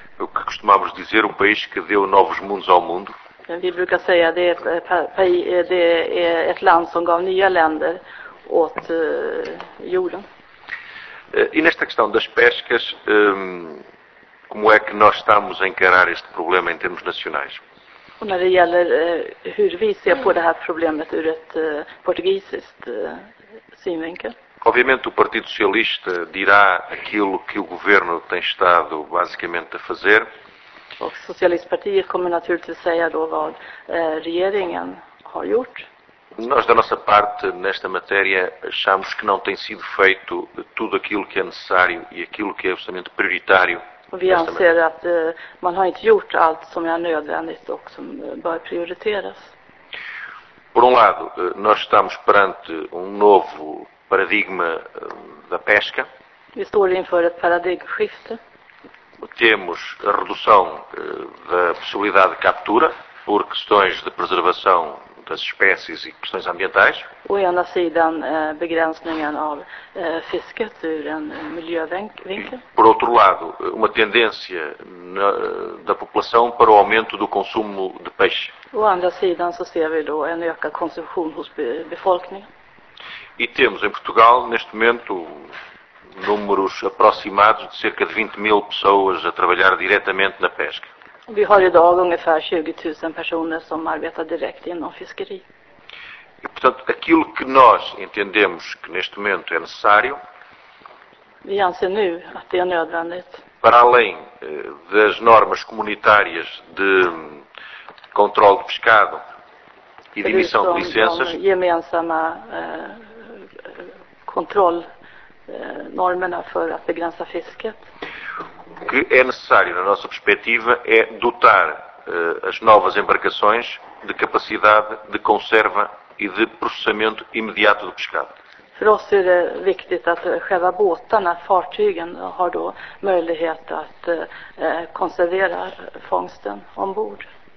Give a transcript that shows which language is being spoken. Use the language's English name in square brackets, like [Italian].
[Portuguese] O que costumamos dizer, um país que deu novos mundos ao mundo. [Swedish] Vi brukar säga att det är ett land som gav nya länder åt jorden. [Portuguese] E nesta questão das pescas, como é que nós estamos a encarar este problema em termos nacionais? [Swedish] Och när det gäller hur vi ser på det här problemet ur ett portugisiskt synvinkel. [Portuguese] Obviamente o Partido Socialista dirá aquilo que o governo tem estado basicamente a fazer. [Swedish] Och Socialistpartiet kommer naturligtvis säga då vad regeringen har gjort. [Portuguese] Nós da nossa parte nesta matéria achamos que não tem sido feito tudo aquilo que é necessário e aquilo que é absolutamente prioritário. [Swedish] Vi anser att man har inte gjort allt som är nödvändigt och som bör prioriteras. [Portuguese] Por um lado, nós estamos perante novo paradigma da pesca. [Swedish] Vi står inför ett paradigmskifte. [Portuguese] Temos a redução da possibilidade de captura por questões de preservação das espécies e questões ambientais. [Swedish] Å ena sidan begränsningen av fisket ur en miljövinkel. [Portuguese] Por outro lado, uma tendência da população para o aumento do consumo de peixe. [Swedish] Å andra sidan så ser vi då en ökad konsumtion hos befolkningen. [Portuguese] E temos em Portugal, neste momento, números aproximados de cerca de 20 mil pessoas a trabalhar diretamente na pesca. [Swedish] Vi har idag ungefär 20 000 personer som arbetar direkt inom fiskeri. [Portuguese] E, portanto, aquilo que nós entendemos que neste momento é necessário. [Swedish] Vi anser nu att det är nödvändigt. [Portuguese] Para além das normas comunitárias de controle de pescado e de emissão de licenças. [Swedish] De gemensamma kontrollnormerna för att begränsa fisket. [Portuguese] O que é necessário, na nossa perspectiva, é dotar as novas embarcações de capacidade de conserva e de processamento imediato do pescado. Para nós é importante que as [Swedish] själva båtarna, fartygen, har då möjlighet att conservera fångsten ombord.